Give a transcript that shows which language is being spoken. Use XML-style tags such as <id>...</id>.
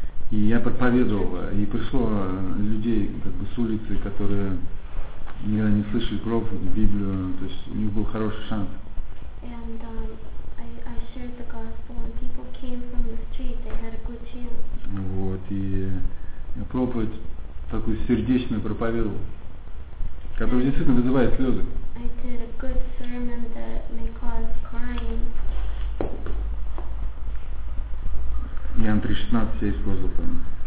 <ru>И я проповедовал, и пришло людей как бы с улицы, которые никогда не слышали проповедь, Библию, то есть у них был хороший шанс.</ru> <en>And, shared the gospel and people came from the street, they had a good chance.</en> <ru>Вот, и проповедь такую сердечную проповедовал, которая действительно вызывает слезы.</ru> <en>I did a good sermon that may cause crying.</en> <ru>Иоанн 3.16 я использовал, по-моему.</ru>